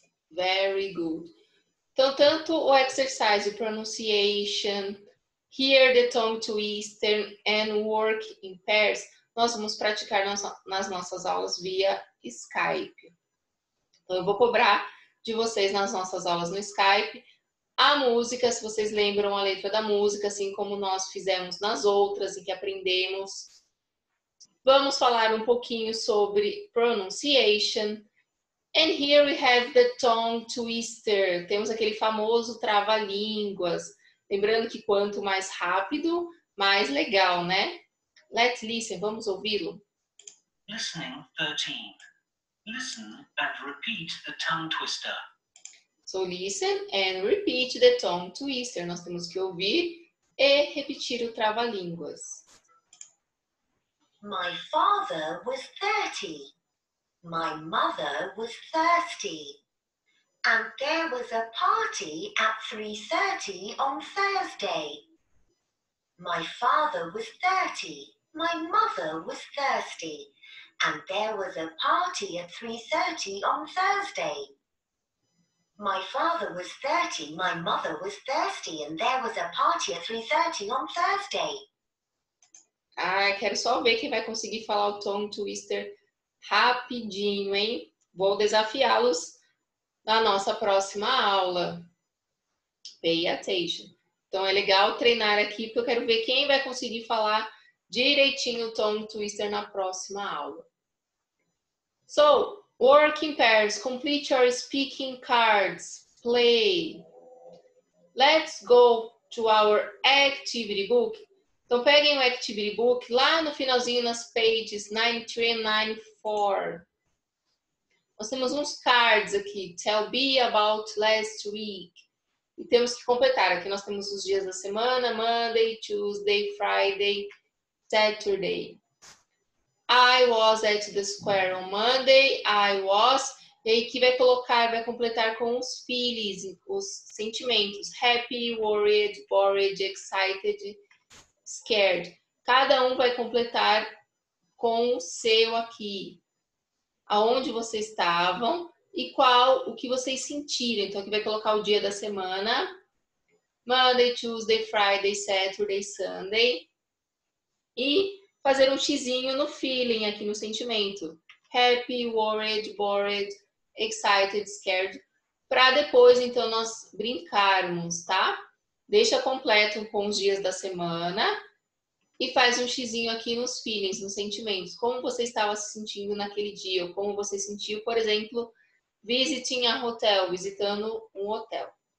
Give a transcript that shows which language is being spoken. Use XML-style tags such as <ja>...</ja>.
<en>Very good.</en> <pt>Então, tanto o exercise, pronunciation,</pt> <en>hear the tongue twister, and work in pairs,</en> <pt>nós vamos praticar nas nossas aulas via Skype. Então, eu vou cobrar de vocês nas nossas aulas no Skype a música, se vocês lembram a letra da música, assim como nós fizemos nas outras e que aprendemos. Vamos falar um pouquinho sobre pronunciation.</pt> <en>And here we have the tongue twister.</en> <pt>Temos aquele famoso trava-línguas. Lembrando que quanto mais rápido, mais legal, né?</pt> <en>Let's listen.</en> <pt>Vamos ouvi-lo.</pt> <en>Listening 13. Listen and repeat the tongue twister. So listen and repeat the tongue twister.</en> <pt>Nós temos que ouvir e repetir o trava-línguas.</pt> <en>My father was 30. My mother was thirsty. And there was a party at 3:30 on Thursday. My father was 30. My mother was thirsty. And there was a party at 3:30 on Thursday. My father was 30. My mother was thirsty. And there was a party at 3:30 on Thursday.</en> <pt>Ai, quero só ver quem vai conseguir falar o tongue twister rapidinho, hein? Vou desafiá-los na nossa próxima aula.</pt> <en>Pay attention.</en> <pt>Então, é legal treinar aqui, porque eu quero ver quem vai conseguir falar direitinho o tongue twister na próxima aula.</pt> <en>So, work in pairs. Complete your speaking cards. Play. Let's go to our activity book.</en> <pt>Então, peguem o activity book lá no finalzinho, nas pages 93 e 94. Nós temos uns cards aqui.</pt> <en>Tell B about last week.</en> <pt>E temos que completar. Aqui nós temos os dias da semana.</pt> <en>Monday, Tuesday, Friday, Saturday. I was at the square on Monday. I was.</en> <pt>E aí, aqui vai colocar, vai completar com os feelings, os sentimentos.</pt> <en>Happy, worried, bored, excited, scared.</en> <pt>Cada um vai completar com o seu aqui. Aonde vocês estavam e qual o que vocês sentiram. Então, aqui vai colocar o dia da semana.</pt> <en>Monday, Tuesday, Friday, Saturday, Sunday.</en> <pt>E fazer um xizinho no feeling aqui, no sentimento.</pt> <en>Happy, worried, bored, excited, scared.</en> <pt>Para depois, então, nós brincarmos, tá? Deixa completo com os dias da semana. E faz um xizinho aqui nos feelings, nos sentimentos. Como você estava se sentindo naquele dia? Ou como você sentiu, por exemplo,</pt> <en>visiting a hotel,</en> <pt>visitando um hotel.</pt>